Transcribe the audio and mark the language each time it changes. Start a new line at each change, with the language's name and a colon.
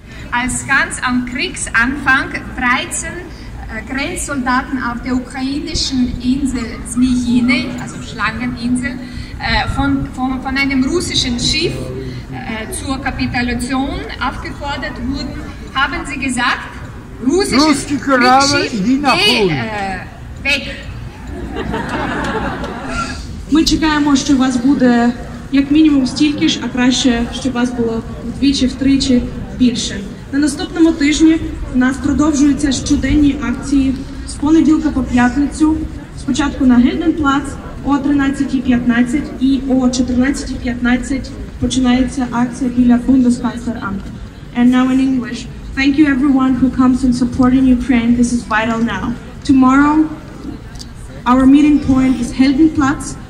German: Als ganz am Kriegsanfang 13 Grenzsoldaten auf der ukrainischen Insel Smichine, also Schlangeninsel, von einem russischen Schiff zur Kapitulation aufgefordert wurden, haben sie gesagt, russische Korabel, Dina weg.
Ukrainian: Ми чекаємо, що вас буде як мінімум стільки ж, а краще, щоб вас було вдвічі, втричі більше. На наступному тижні у нас продовжуються щоденні акції з понеділка по п'ятницю. Спочатку на Гельденплац о 13:15 і о 14:15 починається акція біля Бундесканцлер-Амт.
English: And now in English. Thank you everyone who comes and support in Ukraine. This is vital now. Tomorrow, our meeting point is Heldenplatz.